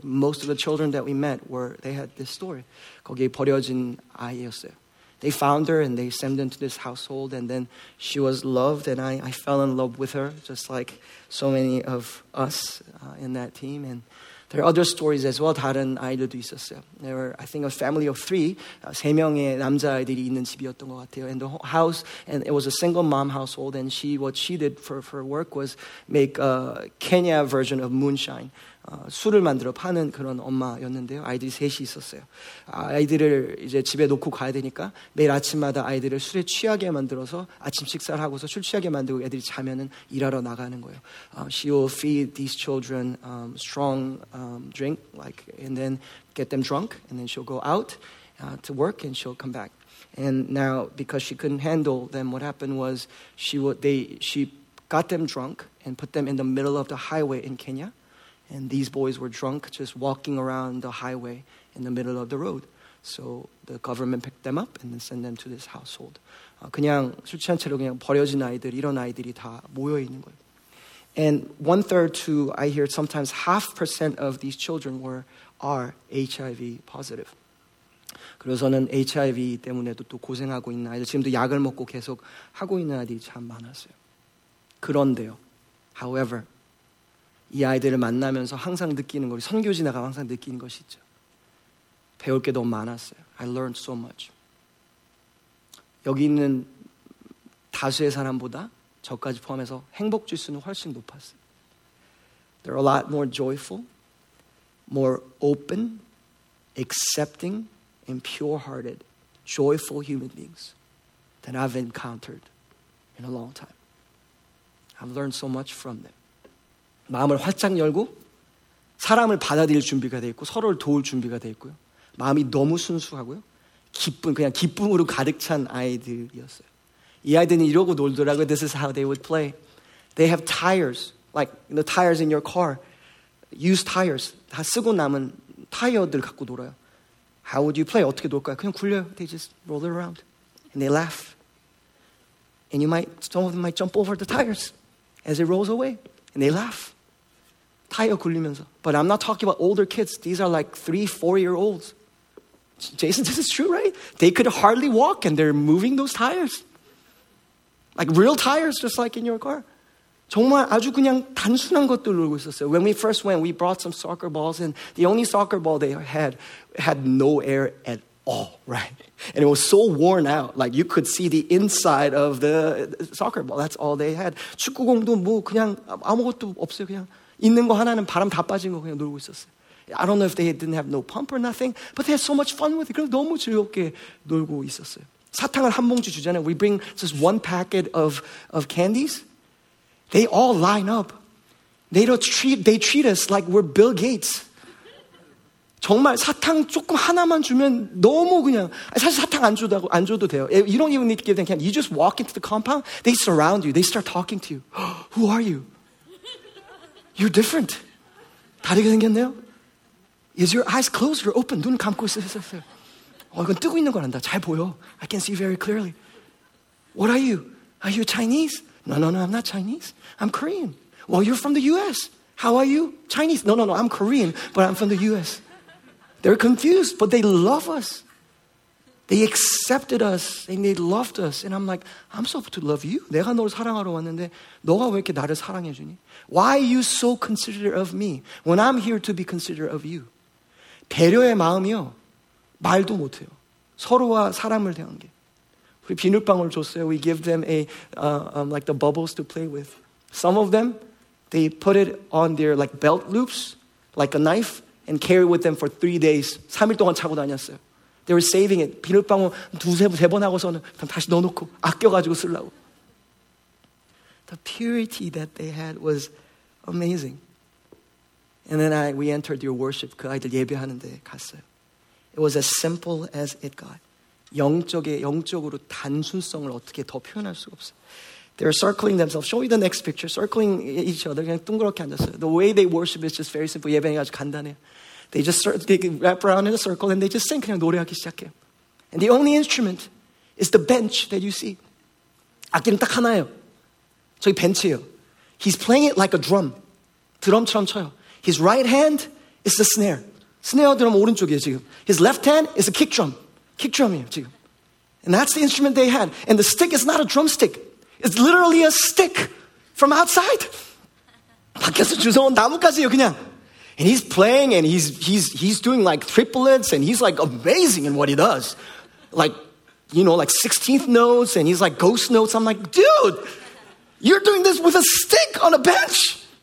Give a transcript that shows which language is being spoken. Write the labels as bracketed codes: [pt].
[en] Most of the children that we met, they had this story. [ko] 거기에 버려진 아이였어요. [en] They found her and they sent her into this household. And then she was loved and I fell in love with her, just like so many of us in that team. And there are other stories as well. [ko] 다른 아이들도 있었어요. [en] There were, I think, a family of three. [ko] 세 명의 남자 아이들이 있는 집이었던 것 같아요. [en] And the house, and it was a single mom household. And she, what she did for work was make a Kenya version of moonshine. [ko] 술을 만들어 파는 그런 엄마였는데요. 아이들이 셋이 있었어요. 아이들을 이제 집에 놓고 가야 되니까 매일 아침마다 아이들을 술에 취하게 만들어서 아침 식사를 하고서 술 취하게 만들고 애들이 자면은 일하러 나가는 거예요. [en] She will feed these children strong drink, like, and then get them drunk, and then she'll go out to work, and she'll come back. And now, because she couldn't handle them, what happened was she got them drunk and put them in the middle of the highway in Kenya. And these boys were drunk, just walking around the highway in the middle of the road. So the government picked them up and then sent them to this household. [ko] 그냥 술 취한 채로 그냥 버려진 아이들, 이런 아이들이 다 모여 있는 거예요. [en] And one third to, I hear sometimes half percent of these children are HIV positive. [ko] 그래서는 HIV 때문에도 또 고생하고 있는 아이들, 지금도 약을 먹고 계속 하고 있는 아이들이 참 많았어요. 그런데요, [en] however, [ko] 이 아이들을 만나면서 항상 느끼는 거, 선교지 나가면 항상 느끼는 것이 있죠. 배울 게 너무 많았어요. [en] I learned so much. [ko] 여기 있는 다수의 사람보다 저까지 포함해서 행복 지수는 훨씬 높았어요. [en] They're a lot more joyful, more open, accepting, and pure-hearted, joyful human beings than I've encountered in a long time. I've learned so much from them. [ko] 마음을 활짝 열고 사람을 받아들일 준비가 돼 있고 서로를 도울 준비가 돼 있고요. 마음이 너무 순수하고요. 기쁨, 그냥 기쁨으로 가득 찬 아이들이었어요. 이 아이들은 이러고 놀더라고요. [en] This is how they would play. They have tires, like the tires in your car. Used tires. [ko] 다 쓰고 남은 타이어들 갖고 놀아요. [en] How would you play? [ko] 어떻게 놀까요? 그냥 굴려요. [en] They just roll it around. And they laugh. And you might, some of them might jump over the tires as it rolls away. And they laugh. [ko] 타이어 굴리면서. [en] But I'm not talking about older kids. These are like 3-4-year-olds. Jason, this is true, right? They could hardly walk and they're moving those tires. Like real tires, just like in your car. [ko] 정말 아주 그냥 단순한 것들 놀고 있었어요. [en] When we first went, we brought some soccer balls and the only soccer ball they had no air at all, right? And it was so worn out. Like you could see the inside of the soccer ball. That's all they had. [ko] 축구공도 뭐 그냥 아무것도 없어요. 그냥 있는 거 하나는 바람 다 빠진 거 그냥 놀고 있었어요. [en] I don't know if they didn't have no pump or nothing, but they had so much fun with it. [ko] 그래서 너무 즐겁게 놀고 있었어요. 사탕을 한 봉지 주잖아요. [en] We bring just one packet of candies. They all line up. They treat us like we're Bill Gates. 정말 사탕 조금 하나만 주면 너무 그냥 사실 사탕 안 줘도 돼요. You don't even need to give them candy. You just walk into the compound. They surround you. They start talking to you. Who are you? You're different. [ko] 다르게 생겼네요. [en] Is your eyes closed or open? [ko] 눈 감고 있었어요. 이건 뜨고 있는 걸 안다. 잘 보여. [en] I can see very clearly. What are you? Are you Chinese? No, I'm not Chinese. I'm Korean. Well, you're from the U.S. How are you? Chinese. No, I'm Korean, but I'm from the U.S. They're confused, but they love us. They accepted us, and they loved us. And I'm like, I'm supposed to love you. [ko] 내가 너를 사랑하러 왔는데 너가 왜 이렇게 나를 사랑해 주니? [en] Why are you so considerate of me when I'm here to be considerate of you? [ko] 배려의 마음이요. 말도 못해요. 서로와 사람을 대한 게. 우리 비눗방울 줬어요. [en] We give them like the bubbles to play with. Some of them, they put it on their like belt loops, like a knife, and carry with them for 3 days. [ko] 3일 동안 차고 다녔어요. [en] They were saving it. [ko] 비눗방울 두세 번 하고서는 그럼 다시 넣어놓고 아껴가지고 쓰려고. [en] The purity that they had was amazing. And then we entered your worship. [ko] 그 아이들 예배하는데 갔어요. [en] It was as simple as it got. [ko] 영적으로 단순성을 어떻게 더 표현할 수가 없어요. [en] They were circling themselves. Show me the next picture. Circling each other. [ko] 그냥 둥그렇게 앉았어요. [en] The way they worship is just very simple. [ko] 예배는 아주 간단해요. [en] They wrap around in a circle and they just sing. [ko] 그냥 노래하기 시작해요. [en] And the only instrument is the bench that you see. [ko] 악기는 딱 하나예요. 저기 벤치예요. [en] He's playing it like a drum. [ko] 드럼처럼 쳐요. [en] His right hand is the snare. [ko] 스네어 드럼 오른쪽이에요, 지금. [en] His left hand is a kick drum. [ko] Kick drum이에요, 지금. [en] And that's the instrument they had. And the stick is not a drumstick. It's literally a stick from outside. [ko] 밖에서 주워온 나뭇가지예요, 그냥. [en] And he's playing and he's doing like triplets and he's like amazing in what he does. Like, you know, like 16th notes and he's like ghost notes. I'm like, dude, you're doing this with a stick on a bench.